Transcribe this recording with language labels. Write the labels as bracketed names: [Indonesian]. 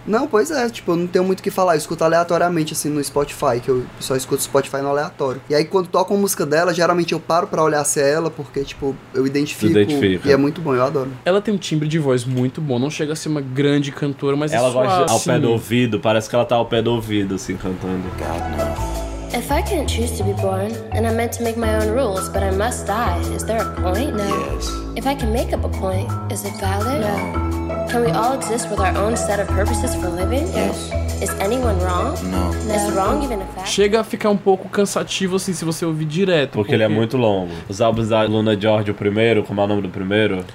[Portuguese] Não, pois é, tipo, eu não tenho muito o que falar. Eu escuto aleatoriamente, assim, no Spotify, que eu só escuto Spotify no aleatório. E aí, quando toco a música dela, geralmente eu paro pra olhar se é ela, porque, tipo, eu identifico. Identifica. E é muito bom, eu adoro. Ela tem um timbre de voz muito bom, não chega a ser uma grande cantora, mas ela é só ela gosta ao pé do ouvido, parece que ela tá ao pé do ouvido, assim, cantando. [English] If I can't choose to be born, then I'm meant to make my own rules, but I must die. Is there a point? No. Yes. If I can make up a point, is it valid? No. Can we all exist with our own set of purposes for living? Yes. Is anyone wrong? No. Is wrong even a fact? [Portuguese] Chega a ficar um pouco cansativo, assim, se você ouvir direto. Porque ele é muito longo. Os álbuns da Luna George, o primeiro, como é o nome do primeiro?